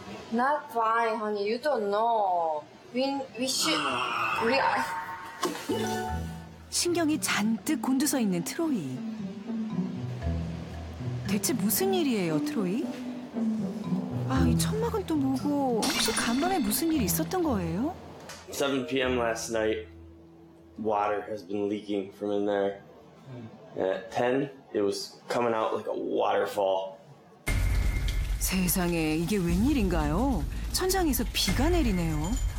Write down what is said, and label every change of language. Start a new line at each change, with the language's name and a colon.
English: Not fine, honey. You don't know. We should... we are...
Korean: 신경이 잔뜩 곤두서 있는 트로이. 대체 무슨 일이에요, 트로이? 아, 이 천막은 또 뭐고? 혹시 간밤에 무슨 일이 있었던 거예요?
English: 7 p.m. last night, water has been leaking from in there. And at 10, it was coming out like a waterfall.
Korean: 세상에, 이게 웬일인가요? 천장에서 비가 내리네요.